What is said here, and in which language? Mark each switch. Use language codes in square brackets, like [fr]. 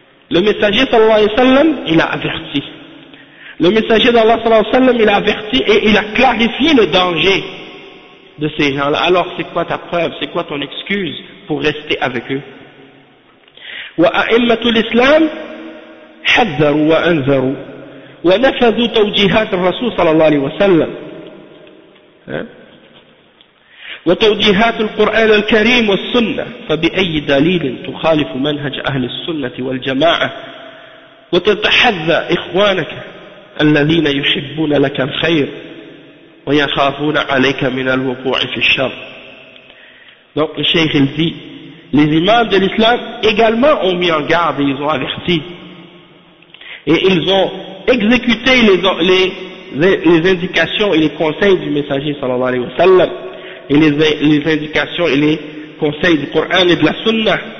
[fr] Le messager sallallahu alayhi wa sallam, il a averti. Le messager d'Allah sallallahu alayhi wa sallam, il a averti et il a clarifié le danger de ces gens-là. Alors c'est quoi ta preuve, c'est quoi ton excuse pour rester avec eux? [ar] Wa a'immatul islam حذروا وأنذروا ونفذوا توجيهات الرسول صلى الله عليه وسلم وتوجيهات القرآن الكريم والسنة فبأي دليل تخالف منهج أهل السنة والجماعة وتتحذى إخوانك الذين يحبون لك الخير ويخافون عليك من الوقوع في الشر. [fr] Donc le cheikh il dit, les imams de l'islam également ont mis en garde et ils ont averti. Et ils ont exécuté les indications et les conseils du messager sallallahu alayhi wa sallam. Et les indications et les conseils du Coran et de la Sunna.